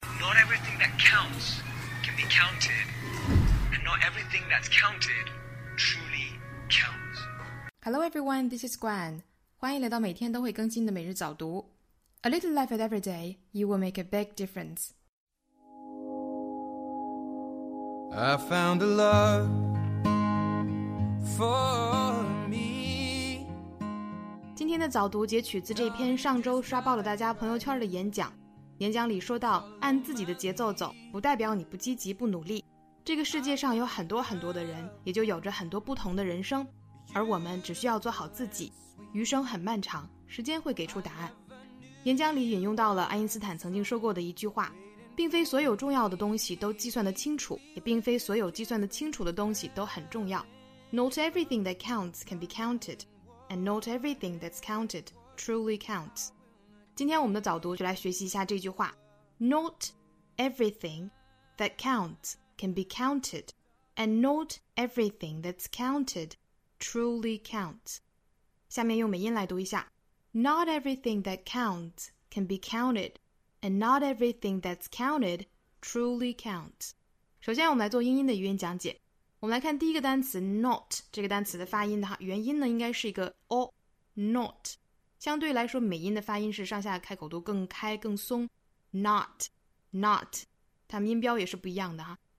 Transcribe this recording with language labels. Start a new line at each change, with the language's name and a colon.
English: that counts can be counted, and not everything that's counted truly counts. Hello everyone, this is Gwen.
Chinese: 欢迎来到每天都会更新的每日早读。
English: A little life at every day, you will make a big difference. I found a love for me.
Chinese: 今天的早读截取自这篇上周刷爆了大家朋友圈的演讲。演讲里说到，按自己的节奏走，不代表你不积极不努力。这个世界上有很多很多的人，也就有着很多不同的人生，而我们只需要做好自己。余生很漫长，时间会给出答案。演讲里引用到了爱因斯坦曾经说过的一句话，并非所有重要的东西都计算得清楚，也并非所有计算得清楚的东西都很重要。
English: Not everything that counts can be counted, and not everything that's counted truly counts.
Chinese: 今天我们的早读就来学习一下这句话，
English: Not everything that counts can be counted, and not everything that's counted truly counts.
Chinese: 下面用美音来读一下。
English: Not everything that counts can be counted, and not everything that's counted truly counts.
Chinese: 首先我们来做英音的语音讲解。我们来看第一个单词 not, 这个单词的发音的话，元音呢应该是一个 o, not. 相对来说美音的发音是上下开口度更开更松。
English: Not, not.
Chinese: 它们音标也是不一样的哈。